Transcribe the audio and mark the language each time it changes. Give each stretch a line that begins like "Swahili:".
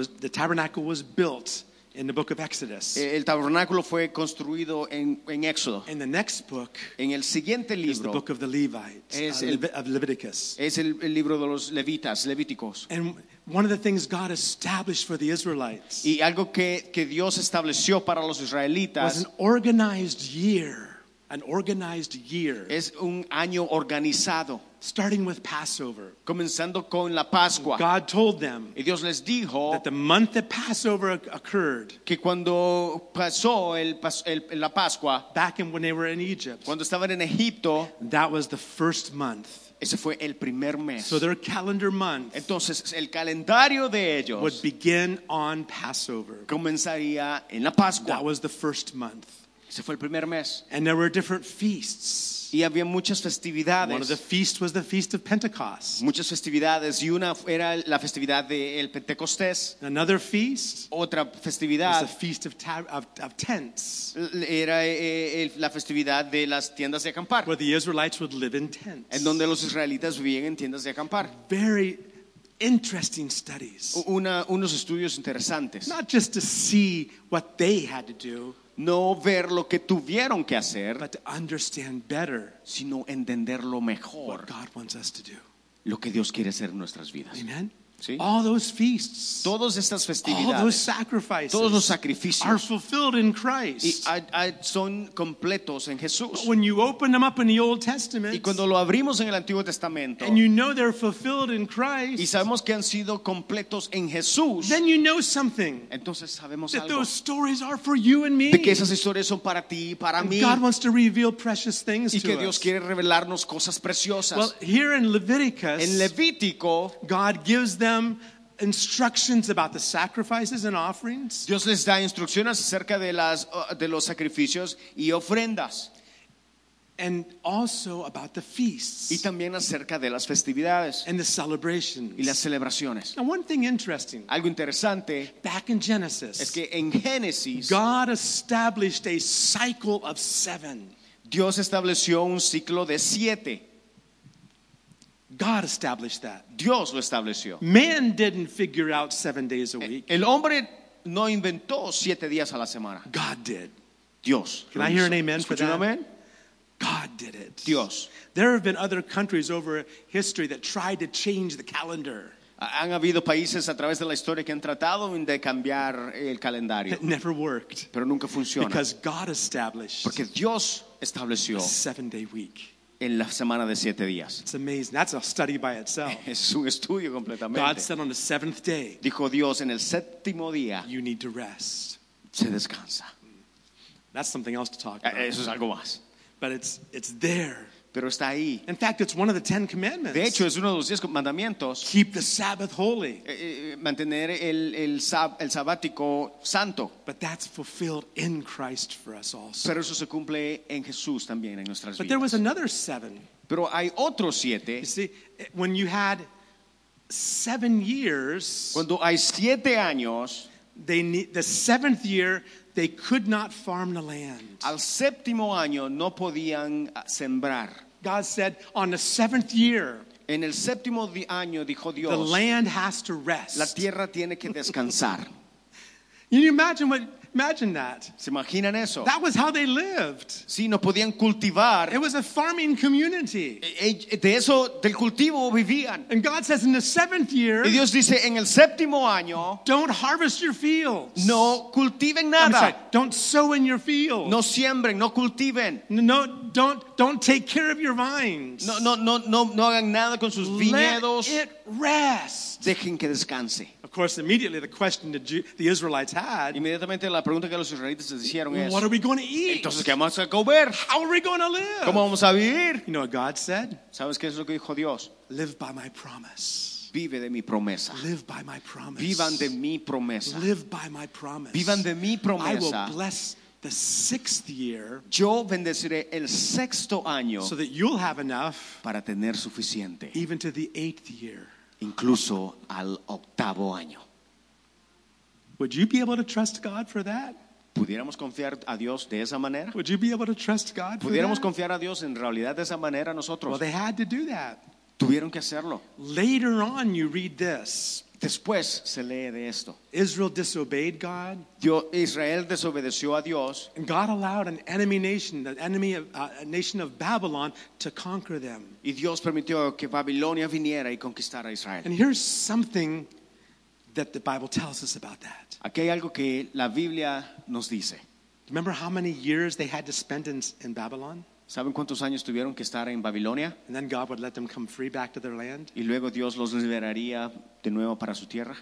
English: The tabernacle was built in the book of Exodus.
Spanish: El tabernáculo fue construido en Éxodo.
English: In the next book,
Spanish: en el siguiente libro,
English: is the book of the Levites, of Leviticus.
Spanish: Es el libro de los levitas, levíticos.
English: And one of the things God established for the Israelites,
Spanish: y algo que Dios estableció para los israelitas,
English: was an organized year. An organized year.
Spanish: Es un año organizado.
English: Starting with Passover.
Spanish: Comenzando con la Pascua.
English: God told them,
Spanish: y Dios les dijo,
English: that the month that Passover occurred,
Spanish: que cuando pasó la Pascua,
English: back in when they were in Egypt,
Spanish: cuando estaban en Egipto,
English: that was the first month.
Spanish: Ese fue el primer mes.
English: So their calendar month,
Spanish: entonces el calendario de ellos,
English: would begin on Passover.
Spanish: Comenzaría en la Pascua.
English: That was the first month.
Spanish: Ese fue el primer mes.
English: And there were different feasts.
Spanish: Y había muchas festividades.
English: One of the feasts was the feast of Pentecost.
Spanish: Muchas festividades, y una era la festividad de el Pentecostés.
English: Another feast,
Spanish: otra festividad,
English: was the feast of tents.
Spanish: Era la festividad de las tiendas de acampar.
English: Where the Israelites would live in tents.
Spanish: En donde los israelitas vivían en tiendas de acampar.
English: Very interesting studies.
Spanish: Unos estudios interesantes.
English: Not just to see what they had to do,
Spanish: no ver lo que tuvieron que hacer,
English: but to understand better,
Spanish: sino entenderlo mejor,
English: what God wants us to do,
Spanish: lo que Dios quiere hacer en nuestras vidas.
English: Amen.
Spanish: ¿Sí?
English: All those feasts,
Spanish: todas estas festividades,
English: all those sacrifices,
Spanish: todos los sacrificios,
English: are fulfilled in Christ.
Spanish: Y son completos en Jesús.
English: When you open them up in the Old Testament,
Spanish: y cuando lo abrimos en el Antiguo Testamento,
English: and you know they're fulfilled in Christ,
Spanish: y sabemos que han sido completos en Jesús,
English: then you know something.
Spanish: Entonces sabemos
English: that
Spanish: algo,
English: those stories are for you and me.
Spanish: De que esas historias son para ti y para
English: and
Spanish: mí.
English: God wants to reveal precious things to us.
Spanish: Y que Dios quiere revelarnos cosas preciosas.
English: Well, here in Leviticus,
Spanish: en Levítico,
English: God gives them instructions about the sacrifices and offerings.
Spanish: Dios les da instrucciones acerca de los sacrificios y ofrendas.
English: And also about the feasts.
Spanish: Y también acerca de las festividades.
English: And the celebrations.
Spanish: Y las celebraciones.
English: Now one thing interesting.
Spanish: Algo interesante.
English: Back in Genesis.
Spanish: Es que en Génesis,
English: God established a cycle of seven.
Spanish: Dios estableció un ciclo de siete.
English: God established that.
Spanish: Dios lo estableció.
English: Man didn't figure out 7 days a week.
Spanish: El hombre no inventó siete días a la semana.
English: God did.
Spanish: Dios.
English: Can I hear an amen for that?
Spanish: Amen?
English: God did it.
Spanish: Dios.
English: There have been other countries over history that tried to change the calendar.
Spanish: Han habido países a través de la historia que han tratado de cambiar el calendario.
English: It never worked.
Spanish: Pero nunca funciona.
English: Because God established.
Spanish: Porque Dios estableció.
English: A 7 day week.
Spanish: En la semana de siete días.
English: It's amazing. That's a study by itself.
Spanish: Es un estudio completamente.
English: God said on the seventh day,
Spanish: dijo Dios en el séptimo día,
English: you need to rest.
Spanish: Se descansa.
English: That's something else to talk about.
Spanish: Eso es algo más.
English: But it's there.
Spanish: Pero está ahí.
English: In fact, it's one of the Ten Commandments.
Spanish: De hecho, es uno de los diez mandamientos.
English: Keep the Sabbath holy.
Spanish: Mantener el sabático santo.
English: But that's fulfilled in Christ for us also.
Spanish: Pero eso se cumple en Jesús también en nuestras
English: but But there was another seven.
Spanish: Pero hay otros siete.
English: You see, when you had 7 years.
Spanish: Cuando hay siete años.
English: The seventh year, they could not farm the land.
Spanish: Al séptimo año no podían sembrar.
English: God said, on the seventh year,
Spanish: en el séptimo año dijo Dios,
English: the land has to rest.
Spanish: La tierra tiene que descansar.
English: Can you imagine what? Imagine that.
Spanish: ¿Se imaginan eso?
English: That was how they lived.
Spanish: Sí, no podían cultivar.
English: It was a farming community.
Spanish: De eso, del cultivo vivían.
English: And God says in the seventh year,
Spanish: y Dios dice, en el séptimo año,
English: don't harvest your fields.
Spanish: No cultiven nada.
English: Sorry, don't sow in your fields.
Spanish: No siembren, no cultiven.
English: No, don't don't take care of your vines.
Spanish: No hagan nada con sus viñedos.
English: Let it rest.
Spanish: Dejen que descanse.
English: Of course, immediately the question that the Israelites had.
Spanish: Inmediatamente la pregunta que los israelitas se hicieron es.
English: What are we going to eat?
Spanish: Entonces, ¿qué vamos a comer?
English: How are we going to live?
Spanish: ¿Cómo vamos a vivir?
English: You know what God said?
Spanish: ¿Sabes qué es lo que dijo Dios?
English: Live by my promise.
Spanish: Vive de mi promesa.
English: Live by my promise.
Spanish: Vivan de mi promesa.
English: Live by my promise.
Spanish: Vivan de mi promesa.
English: I will bless the sixth year.
Spanish: Yo bendeciré el sexto año.
English: So that you'll have enough.
Spanish: Para tener suficiente.
English: Even to the eighth year.
Spanish: Incluso al octavo año.
English: Would you be able to trust God for that?
Spanish: ¿Pudiéramos confiar a Dios de esa manera?
English: Would you be able to trust God for
Spanish: ¿Pudiéramos Confiar a Dios en realidad de esa manera nosotros?
English: Well, they had to do that.
Spanish: Tuvieron que hacerlo.
English: Later on, you read this.
Spanish: Después se lee de esto.
English: Israel disobeyed God.
Spanish: Israel desobedeció a Dios.
English: And God allowed an enemy nation, the enemy of, nation of Babylon, to conquer them.
Spanish: Y Dios permitió que Babilonia viniera y conquistara a Israel.
English: And here's something that the Bible tells us about that.
Spanish: Aquí hay algo que la Biblia nos dice.
English: Remember how many years they had to spend in Babylon?
Spanish: ¿Saben cuántos años tuvieron que estar en Babilonia?
English: And then God would let them come free back to their land.
Spanish: Y luego Dios los liberaría de nuevo para su tierra.